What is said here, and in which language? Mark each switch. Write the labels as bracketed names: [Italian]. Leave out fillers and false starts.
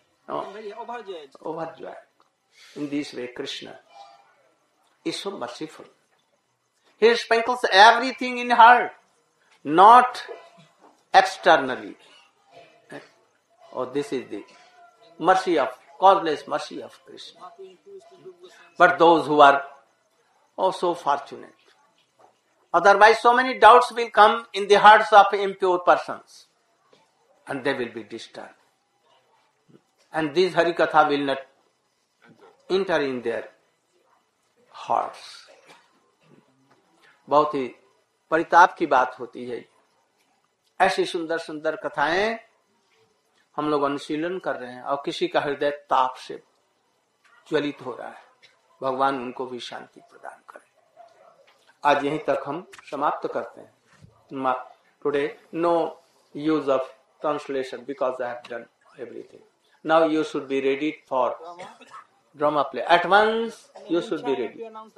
[English] Otherwise, so many doubts will come in the hearts of impure persons, and they will be disturbed. And this Harikatha will not enter in their hearts. [Hindi] बहुत ही परिताप की बात होती है। ऐसी सुंदर सुंदर कथाएं हम लोग अनुशीलन कर रहे हैं और किसी का हृदय ताप से ज्वलित हो रहा है, भगवान उनको भी शांति प्रदान करें। आज यहीं तक हम समाप्त करते हैं। [English] Today no use of translation because I have done everything. Now you should be ready for drama play. At once, you should be ready.